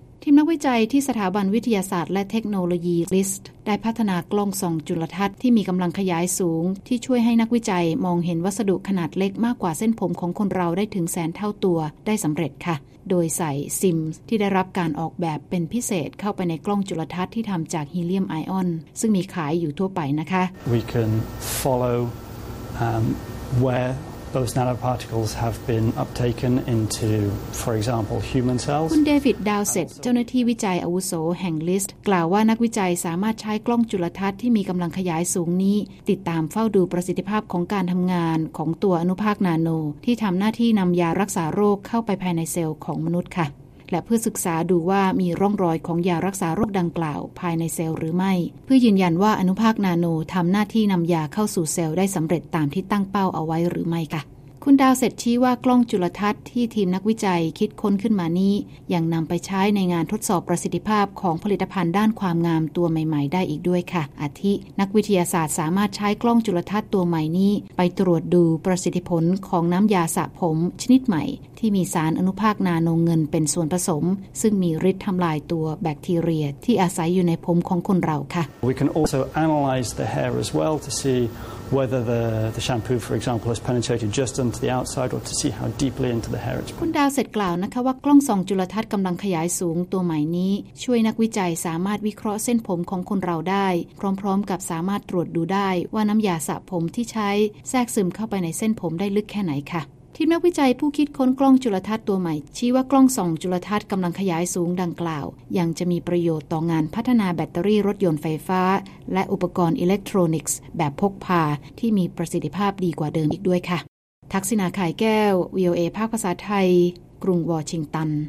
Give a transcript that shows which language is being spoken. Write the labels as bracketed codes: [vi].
[th] ทีมนักวิจัยที่สถาบันวิทยาศาสตร์และเทคโนโลยีลิสต์ได้พัฒนากล้องส่องจุลทรรศน์ที่มีกำลังขยายสูงที่ช่วยให้นักวิจัยมองเห็นวัสดุขนาดเล็กมากกว่าเส้นผมของคนเราได้ถึงแสนเท่าตัวได้สำเร็จค่ะโดยใส่ซิมที่ได้รับการออกแบบเป็นพิเศษเข้าไปในกล้องจุลทรรศน์ที่ทำจากฮีเลียมไอออนซึ่งมีขายอยู่ทั่วไปนะคะ [en] We can follow whereThose nanoparticles have been uptaken into, for example, human cells. [th] คุณเดวิดดาวเซตเจ้าหน้าที่วิจัยอาวุโสแห่งลิสต์กล่าวว่านักวิจัยสามารถใช้กล้องจุลทรรศน์ที่มีกำลังขยายสูงนี้ติดตามเฝ้าดูประสิทธิภาพของการทำงานของตัวอนุภาคนาโนที่ทำหน้าที่นำยารักษาโรคเข้าไปภายในเซลล์ของมนุษย์ค่ะและเพื่อศึกษาดูว่ามีร่องรอยของยารักษาโรคดังกล่าวภายในเซลล์หรือไม่เพื่อยืนยันว่าอนุภาคนาโนทำหน้าที่นำยาเข้าสู่เซลล์ได้สำเร็จตามที่ตั้งเป้าเอาไว้หรือไม่ค่ะ คุณดาวเสร็จชี้ว่ากล้องจุลทรรศน์ที่ทีมนักวิจัยคิดค้นขึ้นมานี้ยังนำไปใช้ในงานทดสอบประสิทธิภาพของผลิตภัณฑ์ด้านความงามตัวใหม่ๆได้อีกด้วยค่ะอาทินักวิทยาศาสตร์สามารถใช้กล้องจุลทรรศน์ตัวใหม่นี้ไปตรวจดูประสิทธิผลของน้ำยาสระผมชนิดใหม่ที่มีสารอนุภาคนาโนเงินเป็นส่วนผสมซึ่งมีฤทธิ์ทำลายตัวแบคทีเรียที่อาศัยอยู่ในผมของคนเราค่ะ [en] We can also analyze the hair as well to seewhether the shampoo for example has penetrated just onto the outside or to see how deeply into the hair it's [th] คุณดาวเสร็จกล่าวนะคะว่ากล้องส่องจุลทรรศน์กำลังขยายสูงตัวใหม่นี้ช่วยนักวิจัยสามารถวิเคราะห์เส้นผมของคนเราได้ พร้อมๆกับสามารถตรวจดูได้ว่าน้ำยาสระผมที่ใช้แทรกซึมเข้าไปในเส้นผมได้ลึกแค่ไหนค่ะทีมนักวิจัยผู้คิดค้นกล้องจุลทรรศน์ตัวใหม่ชี้ว่ากล้องส่องจุลทรรศน์กำลังขยายสูงดังกล่าวยังจะมีประโยชน์ต่องานพัฒนาแบตเตอรี่รถยนต์ไฟฟ้าและอุปกรณ์อิเล็กทรอนิกส์แบบพกพาที่มีประสิทธิภาพดีกว่าเดิมอีกด้วยค่ะทักษิณาไข่แก้ว VOA ภาคภาษาไทยกรุงวอชิงตัน